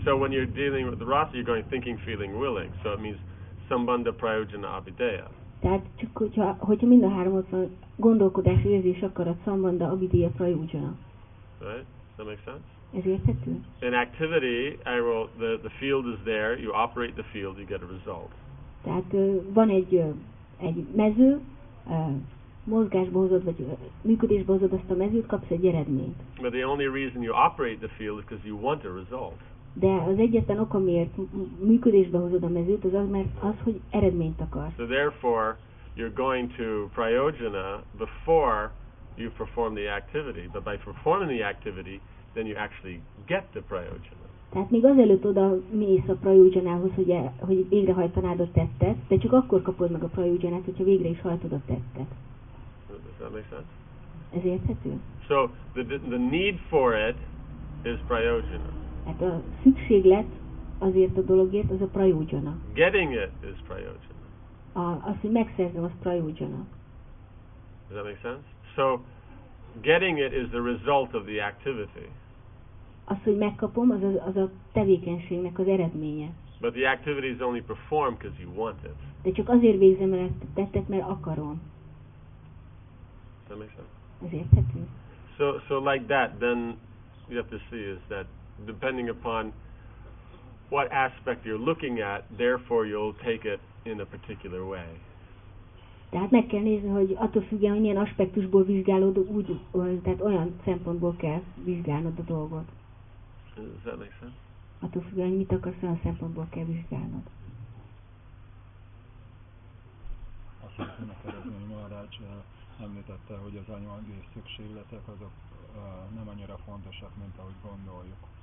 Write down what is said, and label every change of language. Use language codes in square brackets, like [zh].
[en] So when you're dealing with the rasa, you're going thinking, feeling, willing. So it means sambanda, prayojana, abhideya. [hu] Tehát csak hogyha mind a három ott van, gondolkodás, érzés, akarat, szambanda, abhideya, prayojana. [en] Right? Does that make sense? [hu] Ezért. [en] In activity, I will the field is there. You operate the field, you get a result. [hu] Tehát van egy mező, mozgásba hozod vagy működésbe hozod azt a mezőt, kapsz egy eredményt. [en] But the only reason you operate the field is because you want a result. [hu] De az egyetlen oka, miért működésbe hozod a mezőt, az, mert hogy eredményt akarsz. [en] So therefore, you're going to prayojana before you perform the activity. But by performing the activity, then you actually get the prayojana. [hu] Tehát még azelőtt oda mész a prayojanához, hogy végrehajtanád a tettet, de csak akkor kapod meg a prayojanát, hogyha végre is hajtod a tettet. [en] Does that make sense? [hu] Ez érthető? [en] So, the need for it is prayojana. [hu] Hát a szükséglet azért a dologért, az a prayojana. [en] Getting it is prayojana. [hu] Azt, hogy megszerzem, az prayojana. [en] Does that make sense? So, getting it is the result of the activity. [hu] Az, hogy megkapom, az a tevékenységnek az eredménye. [en] But the activity is only performed because you want it. [hu] De csak azért végzem el ezt a tettet, mert akarom. [en] Does that make sense? [hu] Ez érthető. [en] So like that, then you have to see is that depending upon what aspect you're looking at, therefore you'll take it in a particular way. [hu] Tehát meg kell nézni, hogy attól függően, hogy milyen aspektusból vizsgálod, tehát olyan szempontból kell vizsgálnod a dolgot. [en] Does that make sense? [hu] Attól függően, hogy mit akarsz, olyan szempontból kell vizsgálnod. Azt hiszem, hogy Maharács említette, hogy az anyagi szükségletek azok nem annyira fontosak, mint ahogy gondoljuk.